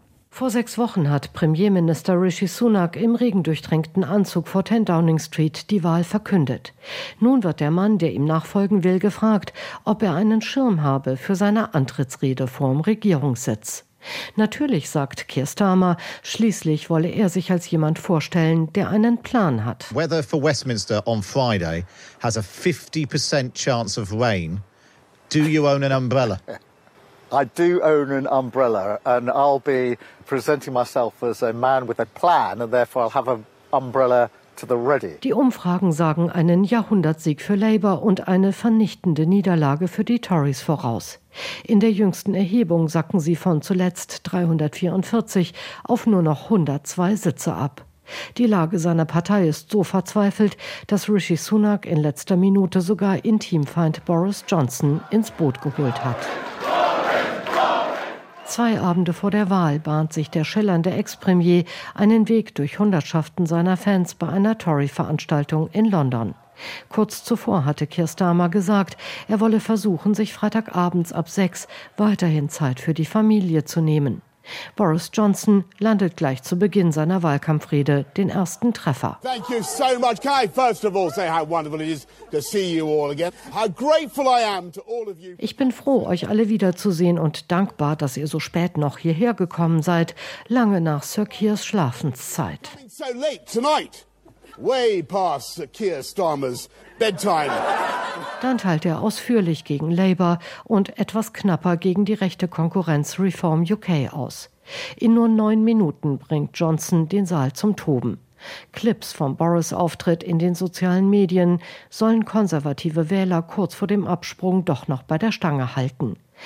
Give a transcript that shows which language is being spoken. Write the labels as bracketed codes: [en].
[de] Vor 6 Wochen hat Premierminister Rishi Sunak im regendurchtränkten Anzug vor 10 Downing Street die Wahl verkündet. Nun wird der Mann, der ihm nachfolgen will, gefragt, ob er einen Schirm habe für seine Antrittsrede vorm Regierungssitz. Natürlich, sagt Keir Starmer, schließlich wolle er sich als jemand vorstellen, der einen Plan hat. [en] Weather for Westminster on Friday has a 50% chance of rain. Do you own an umbrella? I do own an umbrella, and I'll be presenting myself as a man with a plan, and therefore I'll have an umbrella to the ready. [de] Die Umfragen sagen einen Jahrhundertsieg für Labour und eine vernichtende Niederlage für die Tories voraus. In der jüngsten Erhebung sacken sie von zuletzt 344 auf nur noch 102 Sitze ab. Die Lage seiner Partei ist so verzweifelt, dass Rishi Sunak in letzter Minute sogar Intimfeind Boris Johnson ins Boot geholt hat. 2 Abende vor der Wahl bahnt sich der schillernde Ex-Premier einen Weg durch Hundertschaften seiner Fans bei einer Tory-Veranstaltung in London. Kurz zuvor hatte Keir Starmer gesagt, er wolle versuchen, sich freitagabends ab 6 weiterhin Zeit für die Familie zu nehmen. Boris Johnson landet gleich zu Beginn seiner Wahlkampfrede den ersten Treffer. [en] Thank you so much. Can I first of all say how wonderful it is to see you all again. How grateful I am to all of you. [de] Ich bin froh, euch alle wiederzusehen und dankbar, dass ihr so spät noch hierher gekommen seid, lange nach Sir Keirs Schlafenszeit. [en] So late tonight. Way past Sir Keir Starmer's bedtime. [de] Dann teilt er ausführlich gegen Labour und etwas knapper gegen die rechte Konkurrenz Reform UK aus. In nur 9 Minuten bringt Johnson den Saal zum Toben. Clips vom Boris-Auftritt in den sozialen Medien sollen konservative Wähler kurz vor dem Absprung doch noch bei der Stange halten.